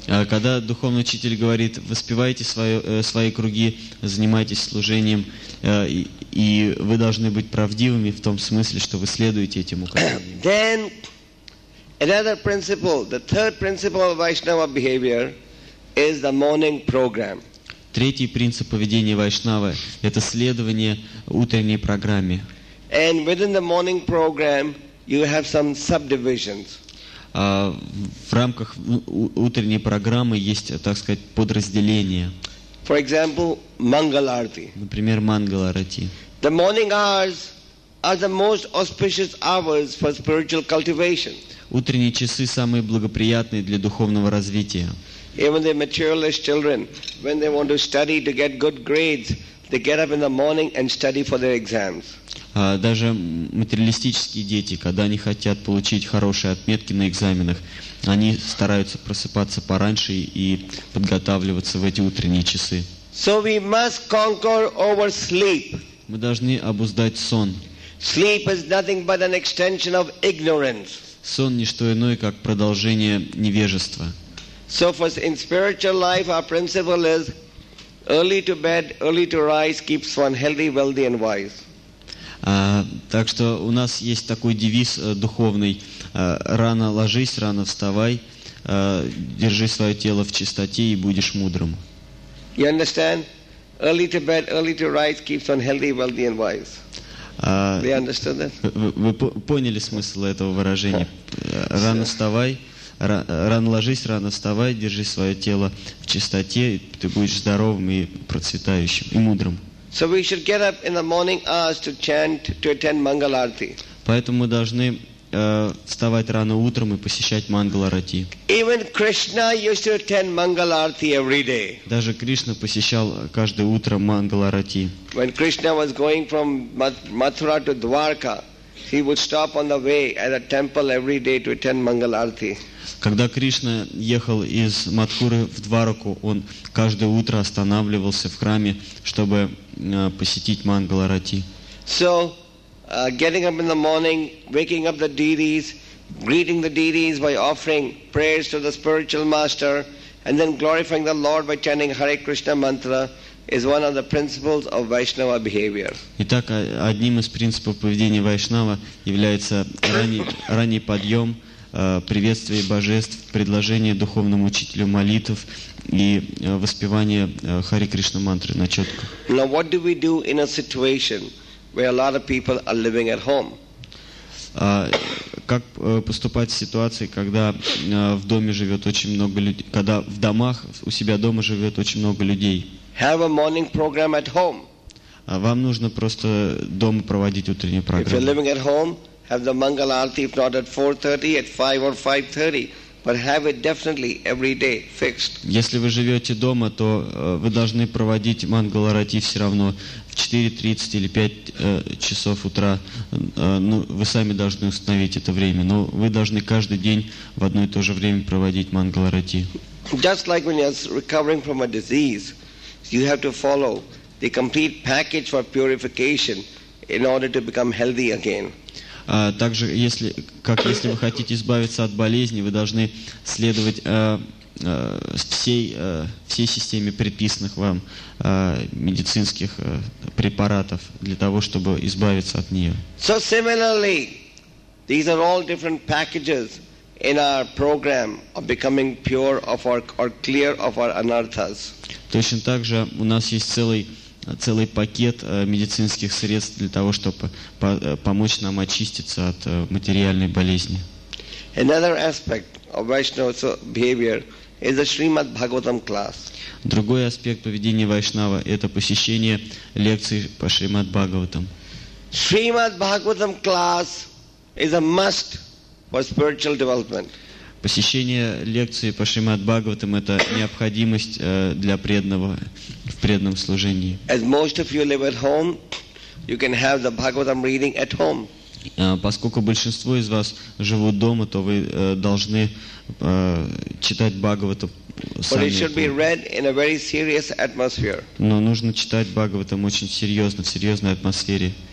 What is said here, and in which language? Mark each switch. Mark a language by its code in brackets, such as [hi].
[ru] Когда духовный учитель говорит, воспевайте свои круги, занимайтесь служением, и вы должны быть правдивыми в том смысле, что вы следуете этим указаниям. [en] Then, another principle, the third principle of Vaishnava behavior is the morning program. [ru] Третий принцип поведения Вайшнавы – это следование утренней программе. [en] And within the morning program, you have some subdivisions. [ru] В рамках утренней программы есть, так сказать, подразделения. [en] For example, Mangalarti. [ru] Например, Mangalarti. [en] The morning hours are the most auspicious hours for spiritual cultivation. [ru] Утренние часы самые благоприятные для духовного развития. [en] Even the materialist children, when they want to study to get good grades, they get up in the morning and study for their exams. [ru] Даже материалистические дети, когда они хотят получить хорошие отметки на экзаменах, они стараются просыпаться пораньше и подготавливаться в эти утренние часы. [en] So we must conquer over sleep. [ru] Мы должны обуздать сон. [en] Sleep is nothing but an extension of ignorance. [ru] Сон не что иное, как продолжение невежества. [en] So in spiritual life our principle is early to bed, early to rise keeps one healthy, wealthy and wise. [ru] Так что у нас есть такой девиз духовный: рано ложись, рано вставай, держи свое тело в чистоте и будешь мудрым. [en] You understand? Early to bed, early to rise keeps one healthy, wealthy and wise. They understood that? [ru] Вы поняли смысл этого выражения? Рано вставай, рано ложись, рано вставай, держи свое тело в чистоте, и ты будешь здоровым и процветающим и мудрым. [en] So we should get up in the morning hours to chant, to attend Mangalarti. [ru] Поэтому мы должны вставать рано утром и посещать Мангаларти. [en] Even Krishna used to attend Mangalarti every day. [ru] Даже Кришна посещал каждое утро Мангаларти. [en] When Krishna was going from Mathura to Dwarka, he would stop on the way at a temple every day to attend Mangalarti. [ru] Когда Кришна ехал из Матхуры в Двараку, он каждое утро останавливался в храме, чтобы посетить Мангаларати. [en] So, getting up in the morning, waking up the deities, greeting the deities by offering prayers to the spiritual master, and then glorifying the Lord by chanting Hare Krishna mantra is one of the principles of Vaishnava behavior. [ru] Итак, одним из принципов поведения Вайшнава является ранний подъем, приветствие божеств, предложение духовному учителю молитв и воспевание Хари Кришна мантры на четках. [en] Now what do we do in a situation where a lot of people are living at home? [ru] Как поступать в ситуации, когда в доме живет очень много людей, когда в домах у себя дома живет очень много людей? [en] Have a morning program at home. [ru] Вам нужно просто дома проводить утреннюю программу. [en] If you're living at home, have the Mangalarti, if not at 4:30, at 5 or 5:30, but have it definitely every day fixed. [ru] Если вы живете дома, то вы должны проводить Мангаларти все равно в 4:30 или 5 часов утра. Ну, вы сами должны установить это время, но вы должны каждый день в одно и то же время проводить Мангаларти. [en] Just like when you're recovering from a disease, you have to follow the complete package for purification in order to become healthy again. [ru] Также, если вы хотите избавиться от болезни, вы должны следовать всей системе предписанных вам медицинских препаратов для того, чтобы избавиться от нее. [en] So similarly, these are all different packages in our program of becoming pure of our or clear of our anarthas. [ru] Точно так же у нас есть целый пакет медицинских средств для того, чтобы помочь нам очиститься от материальной болезни. [en] Another aspect of Vaishnava's behavior is the Srimad Bhagavatam class. [ru] Другой аспект поведения Вайшнава – это посещение лекций по Шримад Бхагаватам. [en] Srimad Bhagavatam class is a must for spiritual development. [ru] Посещение лекции по Шримад Бхагаватам – это необходимость для преданного в преданном служении. [en] As most of you live at home, you can have the Bhagavatam reading at home. [ru] Поскольку большинство из вас живут дома, то вы должны читать Бхагавату сами. [en] But it should be read in a very serious atmosphere. [ru] Но нужно читать Бхагаватам очень серьезно, в серьезной атмосфере.